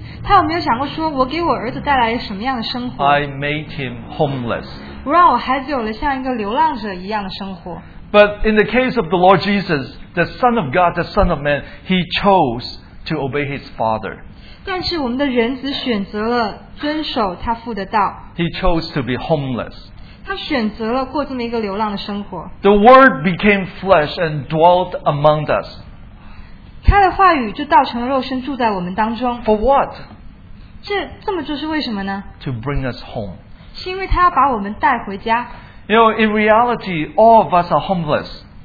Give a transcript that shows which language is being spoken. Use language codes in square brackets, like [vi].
[zh] 他有没有想过说，我给我儿子带来什么样的生活？ [en] I made him homeless. [zh] 我让我孩子有了像一个流浪者一样的生活。 [en] But in the case of the Lord Jesus, the Son of God, the Son of Man, he chose to obey his Father. [zh] 但是我们的人子选择了遵守他父的道。 [en] He chose to be homeless. [zh] 他选择了过这么一个流浪的生活。 [en] The Word became flesh and dwelt among us. [zh] 他的话语就道成了肉身住在我们当中。 [en] For what? [zh] 这么做是为什么呢？ [en] To bring us home. [zh] 是因为他要把我们带回家。 [en] You know, in reality, all of us are homeless.